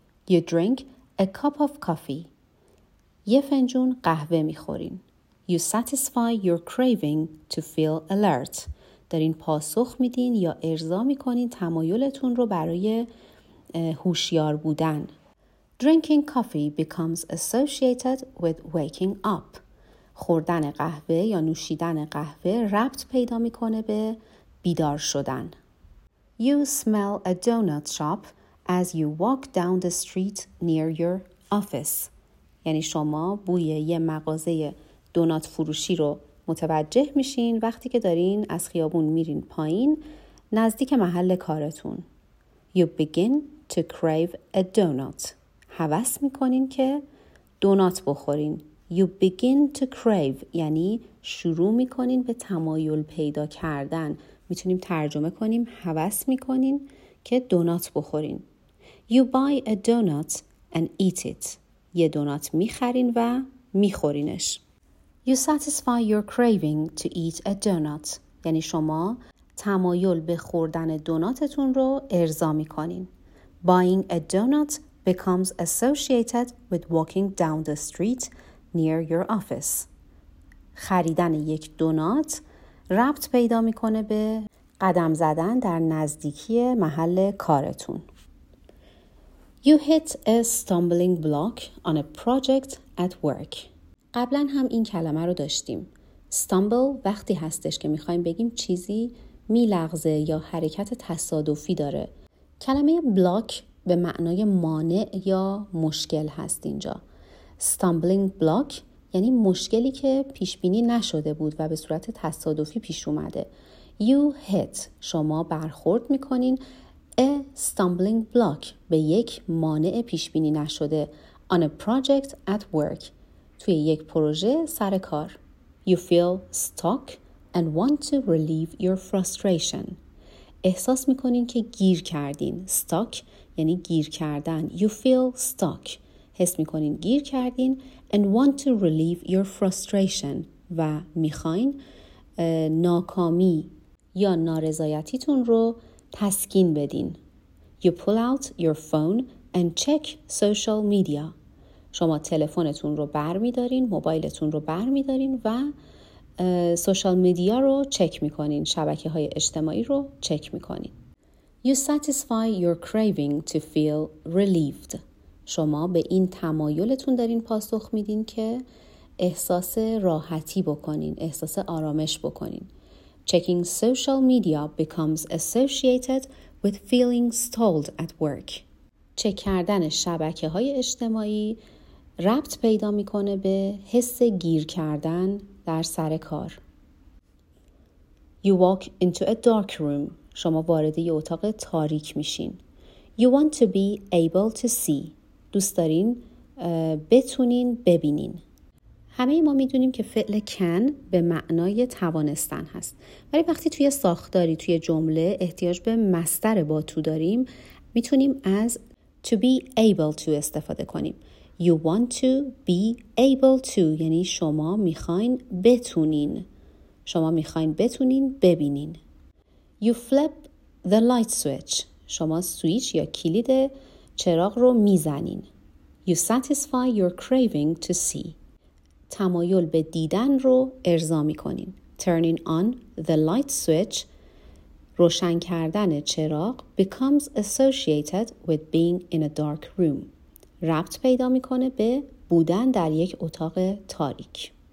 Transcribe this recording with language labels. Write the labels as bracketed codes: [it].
[en] You drink a cup of coffee. [fa] یه فنجون قهوه میخورین. [en] You satisfy your craving to feel alert. [fa] دارین پاسخ میدین یا ارضا میکنین تمایلتون رو برای هوشیار بودن. [en] Drinking coffee becomes associated with waking up. [fa] خوردن قهوه یا نوشیدن قهوه ربط پیدا میکنه به بیدار شدن. [en] You smell a donut shop as you walk down the street near your office. [fa] یعنی شما بوی یه مغازه دونات فروشی رو متوجه میشین وقتی که دارین از خیابون میرین پایین نزدیک محل کارتون. [en] You begin to crave a donut. [fa] هوس میکنین که دونات بخورین. [en] You begin to crave [fa] یعنی شروع میکنین به تمایل پیدا کردن. میتونیم ترجمه کنیم هوس میکنین که دونات بخورین. [en] You buy a donut and eat it. [fa] یه دونات میخرین و میخورینش. [en] You satisfy your craving to eat a donut. [fa] یعنی شما تمایل به خوردن دوناتتون رو ارضا میکنین. [en] Buying a donut becomes associated with walking down the street near your office. [fa] خریدن یک دونات ربط پیدا میکنه به قدم زدن در نزدیکی محل کارتون. [en] You hit a stumbling block on a project at work. [fa] قبلا هم این کلمه رو داشتیم. Stumble وقتی هستش که میخوایم بگیم چیزی میلغزه یا حرکت تصادفی داره. کلمه block به معنای مانع یا مشکل هست اینجا. Stumbling block یعنی مشکلی که پیشبینی نشده بود و به صورت تصادفی پیش اومده. [en] You hit [fa] شما برخورد میکنین [en] a stumbling block [fa] به یک مانع پیشبینی نشده. [en] On a project at work [fa] توی یک پروژه سر کار. [en] You feel stuck and want to relieve your frustration. [fa] احساس میکنین که گیر کردین. Stuck یعنی گیر کردن. [en] You feel stuck. [fa] حس میکنین گیر کردین. [en] And want to relieve your frustration. [fa] و میخواین ناکامی یا نارضایتیتون رو تسکین بدین. [en] You pull out your phone and check social media. [fa] شما تلفنتون رو بر میدارین، موبایلتون رو بر میدارین و سوشال میدیا رو چک میکنین، شبکه های اجتماعی رو چک میکنین. [en] You satisfy your craving to feel relieved. [fa] شما به این تمایلتون دارین پاسخ میدین که احساس راحتی بکنین، احساس آرامش بکنین. [en] Checking social media becomes associated with feeling stalled at work. [fa] چک کردن شبکه های اجتماعی ربط پیدا میکنه به حس گیر کردن در سر کار. [en] You walk into a dark room. [fa] شما وارد یه اتاق تاریک میشین. [en] You want to be able to see. [fa] دوست دارین بتونین ببینین. همه ما میدونیم که فعل can به معنای توانستن هست. ولی وقتی توی ساختاری توی جمله احتیاج به مصدر با to داریم میتونیم از [en] to be able to [fa] استفاده کنیم. [en] You want to be able to [fa] یعنی شما میخواین بتونین. شما میخواین بتونین ببینین. [en] You flip the light switch. [fa] شما سویچ یا کلید چراغ رو میزنین. [en] You satisfy your craving to see. [fa] تمایل به دیدن رو ارضا میکنین. [en] Turning on the light switch. [fa] روشن کردن چراغ [en] becomes associated with being in a dark room. [fa] ربط پیدا میکنه به بودن در یک اتاق تاریک.